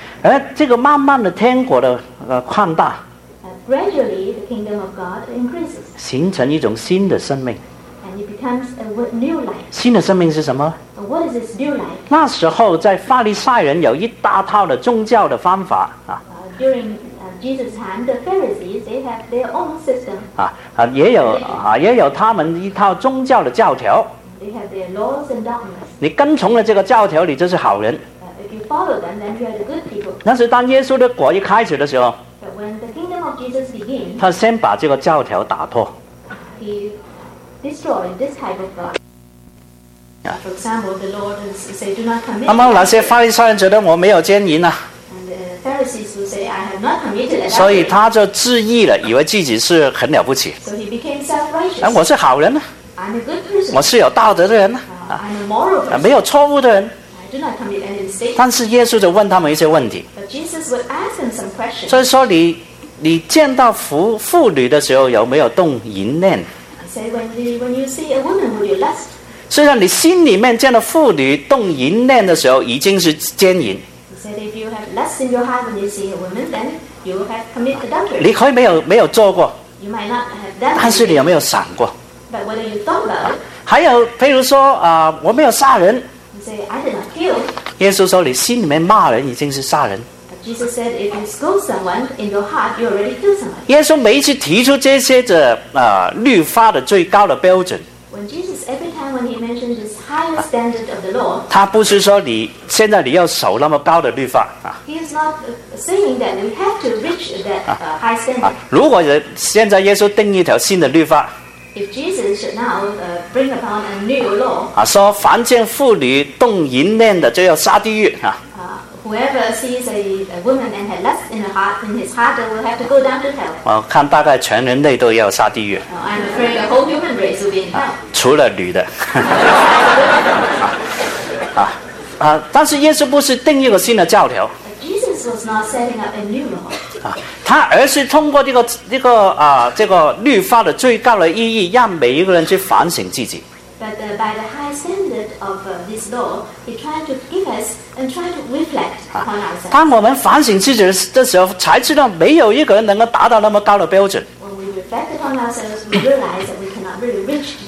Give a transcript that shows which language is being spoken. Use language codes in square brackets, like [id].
[zh] 而这个慢慢的天国的扩大。 [en] Gradually the kingdom of God increases. [zh] 形成一种新的生命。 [en] And it becomes a new life. [zh] 新的生命是什么？ [en] What is this new life? [zh] 那时候在法利赛人有一大套的宗教的方法啊。 [en] During Jesus' time, the Pharisees, they have their own system. [zh] 也有他们一套宗教的教条。 [en] They have their laws and dogmas. [zh] 你跟从了这个教条，你就是好人。 [en] If you follow them, then you are the good people. [zh] 那是当耶稣的国一开始的时候。 [en] When the kingdom of Jesus begins, [zh] 他先把这个教条打破。 [en] He destroyed this type of law. For example, the Lord said, "Do not commit." [zh] 那么那些法利赛人觉得我没有奸淫啊。 [en] And the Pharisees would say, "I have not committed." [zh] 所以他就自义了，以为自己是很了不起。 [en] So he became self-righteous. [zh] 我是好人呢。 [en] I'm a good person. [zh] 我是有道德的人呢。 [en] I'm a moral person. [zh] 没有错误的人。 [en] Do not commit any mistake. [zh] 但是耶稣就问他们一些问题。 [en] But Jesus would ask them some questions. [zh] 所以说你见到妇女的时候有没有动淫念？ [en] Say when you see a woman, would you lust? [zh] 虽然你心里面见到妇女动淫念的时候已经是奸淫。 [en] Said if you have lust in your heart when you see a woman, then you have committed adultery. [zh] 你可以没有做过。 [en] You might not have done. [zh] 但是你有没有想过？ [en] But whether you thought about it. [zh] 还有譬如说我没有杀人。 [en] Say, I did not kill. [zh] 耶稣说你心里面骂人已经是杀人。 [en] Jesus said, if you scold someone in your heart, you already kill someone. [zh] 耶稣每一次提出这些的律法的最高的标准。 [en] When Jesus, every time when he mentioned this highest standard of the law, [zh] 他不是说你现在你要守那么高的律法。 [en] He is not saying that we have to reach that high standard. [zh] 如果现在耶稣定一条新的律法， [en] If Jesus should now bring upon a new law, [zh] 说凡见妇女动淫念的就要下地狱啊。 [en] Whoever sees a woman and has lust in his heart, will have to go down to hell. [zh] 我看大概全人类都要下地狱。 [en] I'm afraid the whole human race will be in hell. [zh] 除了女的。但是耶稣不是定一个新的教条。 [en] Jesus was not setting up a new law. [zh] 他而是通过这个律法的最高的意义，让每一个人去反省自己。 [en] But by the high standard of this law, he tried to give us and try to reflect upon ourselves. [zh] 当我们反省自己的时候，才知道没有一个人能够达到那么高的标准。 [en] When we reflect upon ourselves, we realize that we cannot really reach God's